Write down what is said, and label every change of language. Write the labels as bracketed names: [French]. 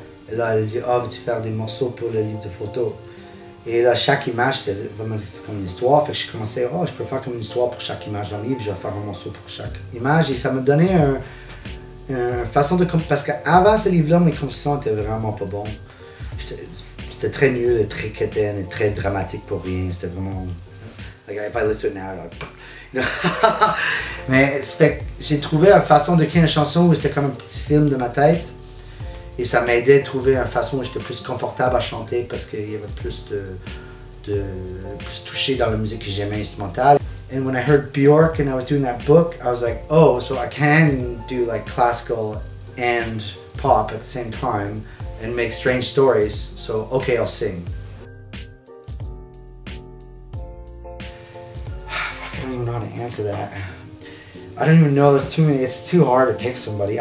[French] Et là, elle dit « Oh, veux-tu faire des morceaux pour le livre de photos? » Et là, chaque image, c'était vraiment c'est comme une histoire. Fait que j'ai commencé « Oh, je peux faire comme une histoire pour chaque image dans le livre, je vais faire un morceau pour chaque image. » Et ça m'a donné une façon de... Parce qu'avant ce livre-là, mes compositions étaient vraiment pas bons. C'était très nul, très quétaine et très dramatique pour rien. C'était vraiment... [English] Like, if I listen now, like, you know? [French] Mais fait, j'ai trouvé une façon de créer une chanson où c'était comme un petit film de ma tête. Et ça m'aidait à trouver une façon où j'étais plus confortable à chanter parce qu'il y avait plus de plus touché dans la musique que j'aimais instrumentale. [English] And when I heard Bjork and I was doing that book, I was like, oh, so I can do like classical and pop at the same time and make strange stories. So okay, I'll sing. I don't even know how to answer that. I don't even know, it's too hard to pick somebody.